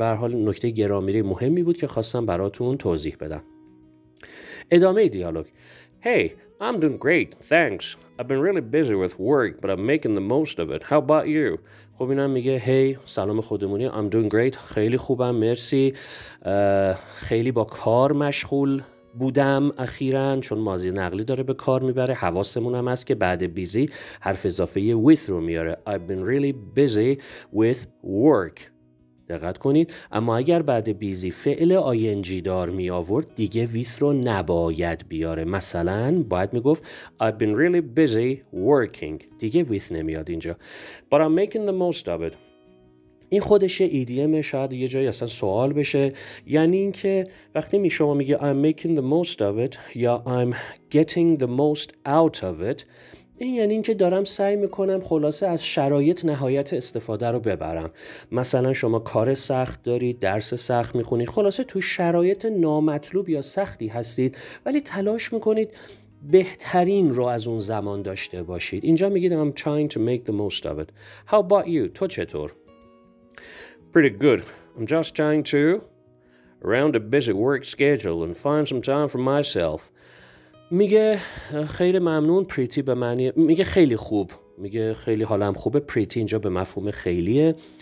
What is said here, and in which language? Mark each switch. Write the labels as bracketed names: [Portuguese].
[Persian] به هر حال نکته گرامری مهمی بود که خواستم براتون توضیح بدم. ادامه دیالوگ. [English] Hey, I'm doing great, thanks. I've been really busy with work, but I'm making the most of it. How about you? [Persian] خب اینم میگه Hey, سلام خودمونی. [English] I'm doing great. [Persian] خیلی خوبم، مرسی. خیلی با کار مشغول بودم اخیراً، چون ماضی نقلی داره به کار میبره. حواسمون هم هست که بعد busy حرف اضافه with رو میاره. [English] I've been really busy with work. [Persian] دقت کنید. اما اگر بعد بیزی فعل ing دار می آورد دیگه ویس رو نباید بیاره. مثلا باید می گفت [English] I've been really busy working. [Persian] دیگه ویس نمیاد اینجا. [English] But I'm making the most of it. [Persian] این خودش ایدیم شاید یه جایی اصلا سوال بشه. یعنی اینکه وقتی می شما میگه [English] I'm making the most of it [Persian] یا [English] I'm getting the most out of it، [Persian] این یعنی اینکه دارم سعی میکنم خلاصه از شرایط نهایت استفاده رو ببرم. مثلا شما کار سخت دارید، درس سخت میخونید، خلاصه تو شرایط نامطلوب یا سختی هستید ولی تلاش میکنید بهترین رو از اون زمان داشته باشید. اینجا میگید [English] I'm trying to make the most of it. How about you؟ [Persian] تو چطور؟ [English] Pretty good. I'm just trying to round a busy work schedule and find some time for myself. [Persian] میگه خیلی ممنون پریتی، به معنی میگه خیلی خوب، میگه خیلی حالم خوبه. پریتی اینجا به مفهوم خیلیه.